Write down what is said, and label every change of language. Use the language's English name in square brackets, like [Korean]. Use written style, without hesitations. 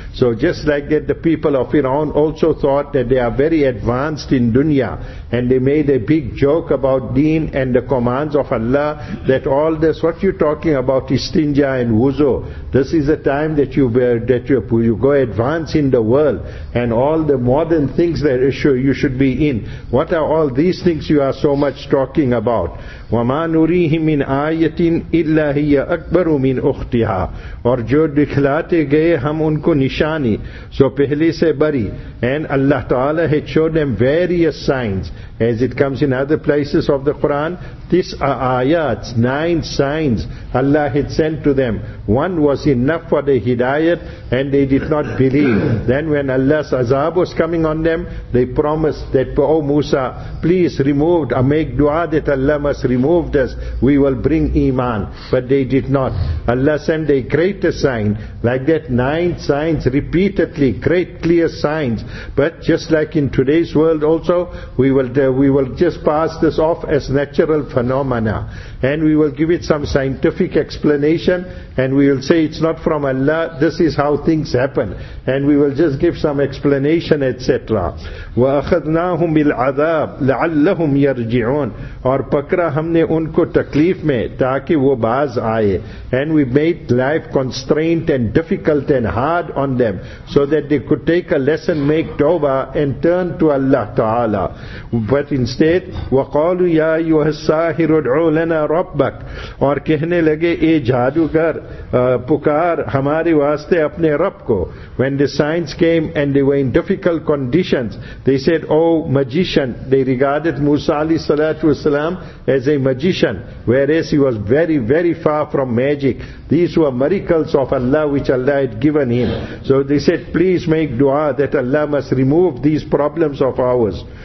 [English] So just like that, the people of Iran also thought that they are very advanced in dunya, and they made a big joke about deen and the commands of Allah, that all this, what you're talking about, istinja and wuzu, this is a time that you go advance in the world, and all the modern things that you should be in. What are all these things you are so much talking about? [Arabic] وَمَا نُرِيهِمْ مِنْ آيَةٍ إِلَّا هِيَ أَكْبَرُ مِنْ أُخْتِهَا. [Urdu] اور جو دکھلاتے گئے ہم ان کو نشانی سو پہلے سے بری. [English] And Allah Ta'ala had showed them various signs, as it comes in other places of the Quran. These are ayats, 9 signs Allah had sent to them. One was enough for the hidayat, and they did not believe. Then when Allah's azab was coming on them, they promised that, oh Musa, please remove, or make dua that Allah must remove us, we will bring iman. But they did not. Allah sent a greater sign, like that 9 signs repeatedly, great clear signs. But just like in today's world also, we will just pass this off as natural phenomena, and we will give it some scientific explanation, and we will say it's not from Allah, this is how things happen, and we will just give some explanation, etc. [Arabic] وَأَخَذْنَاهُمْ بِالْعَذَابِ لَعَلَّهُمْ يَرْجِعُونَ. [Urdu] اور پکرا ہم نے ان کو تکلیف میں تاکہ وہ باز آئے. [English] And we made life constrained and difficult and hard on them, so that they could take a lesson, make tawbah, and turn to Allah Ta'ala. But instead, [Arabic] وَقَالُوا يَا أَيُّهَا السَّاحِرُ ادْعُوا لَنَا رَبَّكَ. [Urdu] اور کہنے لگے اے جادوگر پکار ہمارے واسطے اپنے رب کو. [English] When the signs came and they were in difficult conditions, they said, oh magician, they regarded Musa alayhi salatu wasalam as a magician, whereas he was very, very far from magic. These were miracles of Allah which Allah had given him. So they said, please make dua that Allah must remove these problems of ours.